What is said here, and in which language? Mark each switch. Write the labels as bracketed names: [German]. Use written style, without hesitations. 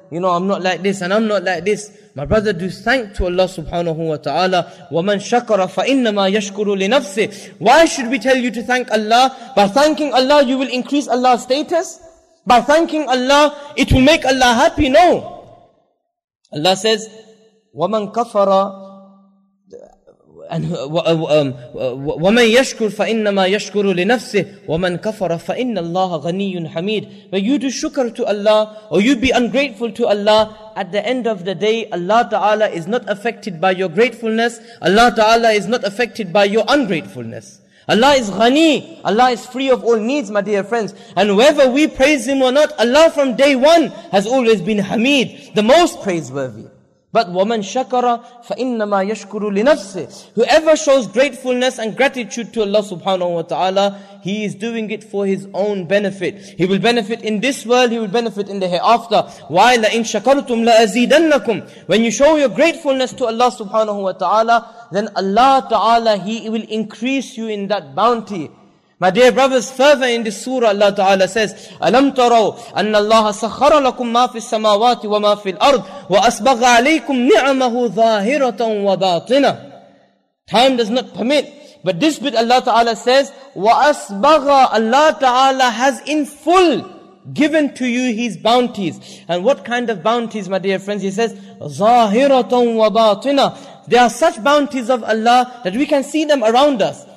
[English] You know, I'm not like this and I'm not like this. My brother, do thank to Allah subhanahu wa ta'ala. [Arabic] وَمَنْ شَكَرَ فَإِنَّمَا يَشْكُرُ لِنَفْسِهِ. [English] Why should we tell you to thank Allah? By thanking Allah, you will increase Allah's status? By thanking Allah, it will make Allah happy? No. Allah says, [Arabic] وَمَنْ كَفَرَ [English] And [Arabic] وَمَنْ يَشْكُرْ فَإِنَّمَا يَشْكُرُ لِنَفْسِهِ وَمَنْ كَفَرَ فَإِنَّ اللَّهَ غَنِيٌّ حَمِيدٌ. [English] When you do shukr to Allah, or you be ungrateful to Allah, at the end of the day, Allah Ta'ala is not affected by your gratefulness. Allah Ta'ala is not affected by your ungratefulness. Allah is ghani. Allah is free of all needs, my dear friends. And whether we praise Him or not, Allah from day one has always been Hamid, the most praiseworthy. But [Arabic] وَمَنْ شَكَرَ فَإِنَّمَا يَشْكُرُ لِنَفْسِهِ. [English] Whoever shows gratefulness and gratitude to Allah subhanahu wa ta'ala, he is doing it for his own benefit. He will benefit in this world, he will benefit in the hereafter. Why? [Arabic] لَإِنْ شَكَرْتُمْ لَأَزِيدَنَّكُمْ. [English] When you show your gratefulness to Allah subhanahu wa ta'ala, then Allah ta'ala, he will increase you in that bounty. My dear brothers, further in this surah, Allah Ta'ala says, [Arabic] أَلَمْ تَرَوْا أَنَّ اللَّهَ سَخَّرَ لَكُمْ مَا فِي السَّمَاوَاتِ وَمَا فِي الْأَرْضِ وَأَسْبَغَ عَلَيْكُمْ نِعَمَهُ ظَاهِرَةً وَبَاطِنَةً. [English] Time does not permit. But this bit Allah Ta'ala says, وَأَسْبَغَ. Allah Ta'ala has in full given to you His bounties. And what kind of bounties, my dear friends? He says, [Arabic] ظَاهِرَةً وَبَاطِنَةً. [English] There are such bounties of Allah that we can see them around us.